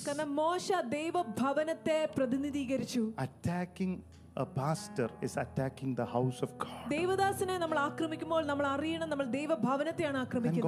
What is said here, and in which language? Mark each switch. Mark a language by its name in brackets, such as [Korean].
[Malayalam] കാരണം മോശ ദൈവഭവനത്തെ പ്രതിനിധീകരിച്ചു. [English] Attacking a pastor is attacking the house of God. [Malayalam] ദൈവദാസനെ നമ്മൾ ആക്രമിക്കുമ്പോൾ നമ്മൾ അറിയണം നമ്മൾ ദൈവഭവനത്തെയാണ് ആക്രമിക്കുന്നത്.